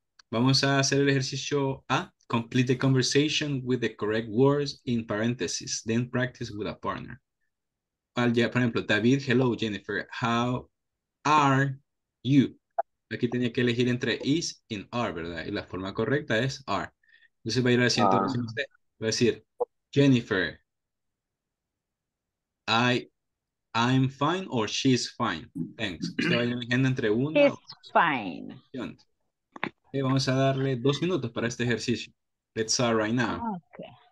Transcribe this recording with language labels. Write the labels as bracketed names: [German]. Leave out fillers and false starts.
[Spanish] Vamos a hacer el ejercicio A. [English] Complete the conversation with the correct words in parentheses. Then practice with a partner. [Spanish] Por ejemplo, [English] David, hello, Jennifer. How are you? [Spanish] Aquí tenía que elegir entre is y are, ¿verdad? Y la forma correcta es are. Entonces va a ir al siguiente. Va a decir, [English] Jennifer, I'm fine or she's fine. Thanks. [Spanish] Usted va a ir eligiendo entre una. [English] She's fine. [Spanish] Okay, vamos a darle 2 minutos para este ejercicio. [English] Let's start right now. Okay.